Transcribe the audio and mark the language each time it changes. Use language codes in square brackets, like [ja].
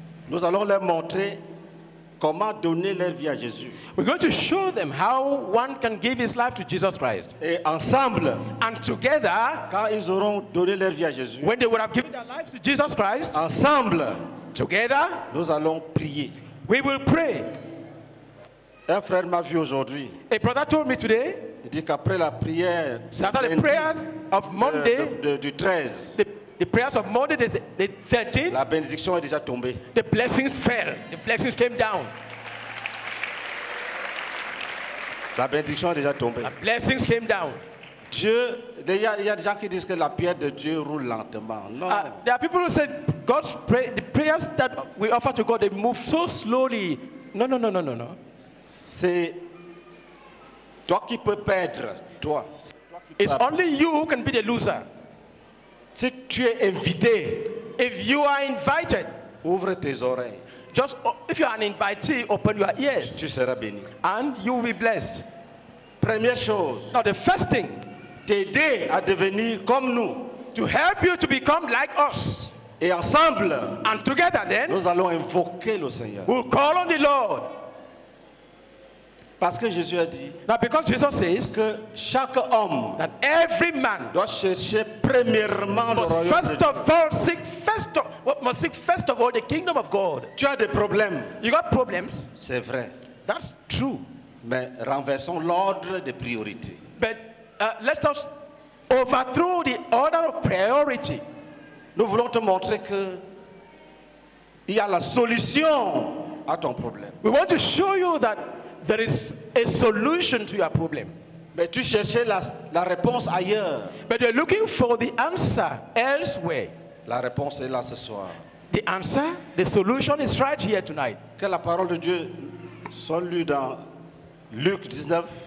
[fr] Nous allons leur montrer comment donner leur vie à Jésus. [en] We're going to show them how one can give his life to Jesus Christ. [fr] Et ensemble, [en] and together, [fr] quand ils auront donné leur vie à Jésus, [en] when they would have given their lives to Jesus Christ, [fr] ensemble, [en] together, [fr] nous allons prier. [en] We will pray. [fr] Un frère m'a vu aujourd'hui. [en] A brother told me today. [fr] Il dit qu'après la prière, [en] after the prayers of Monday, [fr] du 13, [en] the prayers of Monday the 13, [fr] la bénédiction est déjà tombée. [en] The blessings fell. The blessings came down. [fr] La bénédiction est déjà tombée. [en] The blessings came down. [fr] Dieu, il y a des gens qui disent que la prière de Dieu roule lentement. Non. [en] There are people who said God's pray, the prayers that we offer to God, they move so slowly. No. [fr] C'est toi qui peux perdre, toi. [en] It's only you who can be the loser. [fr] Si tu es invité, [en] if you are invited, [fr] ouvre tes oreilles. [en] Just if you are an invitee, open your ears. [fr] Tu seras béni. [en] And you will be blessed. [fr] Première chose. [en] Now the first thing, [fr] t'aider à devenir comme nous. [en] To help you to become like us. [fr] Et ensemble, [en] and together then, [fr] nous allons invoquer le Seigneur. [en] We'll call on the Lord. [fr] Parce que Jésus a dit, [en] now because Jesus says [fr] que chaque homme, [en] that every man [fr] doit chercher premièrement le royaume [en] first [fr] de [en] of [fr] Dieu. [en] All seek first of, well, must seek first of all the kingdom of God. [fr] Tu as des problèmes. [en] You got problems. [fr] C'est vrai. [en] That's true. [fr] Mais renversons l'ordre des priorités. [en] But let us overthrow the order of priority. [fr] Nous voulons te montrer que il y a la solution à ton problème. [en] We want to show you that there is a solution to your problem. [fr] Mais tu cherchais la réponse ailleurs. [en] But you're looking for the answer elsewhere. [fr] La réponse est là ce soir. [en] The answer, the solution is right here tonight. [fr] Que la parole de Dieu soit lue dans Luc 19.